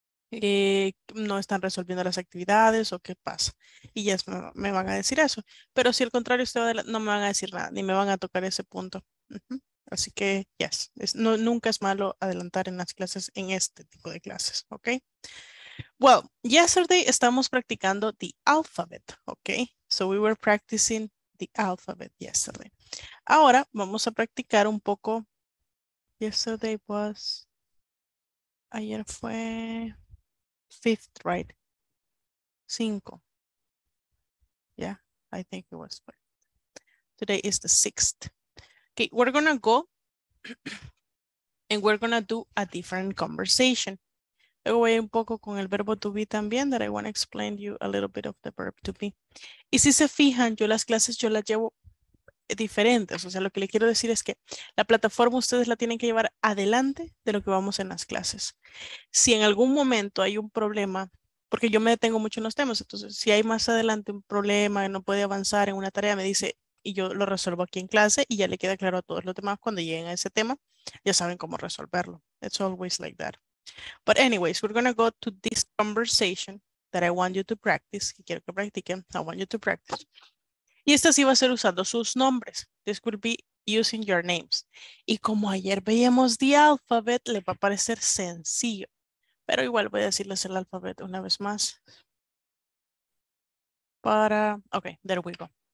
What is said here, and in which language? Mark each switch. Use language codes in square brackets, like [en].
[es] No están resolviendo las actividades o qué pasa, y ya me van a decir eso, pero si al contrario usted va adelante, no me van a decir nada, ni me van a tocar ese punto. Uh-huh. Así que yes, no, nunca es malo adelantar en las clases, en este tipo de clases. [en] Ok, well, yesterday [es] estamos practicando [en] the alphabet. Ok, so we were practicing the alphabet yesterday. [es] Ahora vamos a practicar un poco. Ayer fue 5th, [en] right? [es] 5. [en] Yeah, I think it was 5th. Today is the 6th. Okay, we're gonna go and we're gonna do a different conversation. [es] Luego voy un poco con el verbo to be también, [en] that I want to explain to you a little bit of the verb to be. [es] Y si se fijan, yo las clases yo las llevo diferentes. O sea, lo que le quiero decir es que la plataforma ustedes la tienen que llevar adelante de lo que vamos en las clases. Si en algún momento hay un problema, porque yo me detengo mucho en los temas, entonces si hay más adelante un problema, no puede avanzar en una tarea, me dice, y yo lo resuelvo aquí en clase y ya le queda claro a todos los demás cuando lleguen a ese tema, ya saben cómo resolverlo. [en] It's always like that. But anyways, we're going to go to this conversation that I want you to practice. [es] Y quiero que practiquen. [en] I want you to practice. [es] Y esta sí va a ser usando sus nombres. [en] This will be using your names. [es] Y como ayer veíamos [en] the alphabet, [es] le va a parecer sencillo. Pero igual voy a decirles el alfabeto una vez más. Para, [en] okay, there we go.